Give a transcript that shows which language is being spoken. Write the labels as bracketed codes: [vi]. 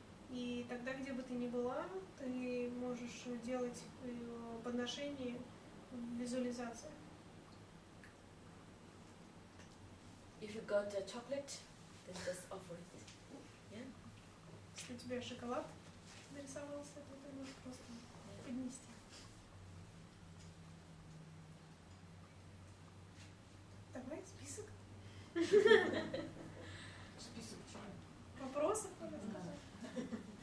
[ru] И тогда, где бы ты ни была, ты можешь делать подношение в визуализации. [en] If you got a chocolate, then just offer it. Yeah? [ru] Если у тебя шоколад нарисовался, то ты можешь просто поднести. Давай список. Список чего? Вопросов, надо сказать.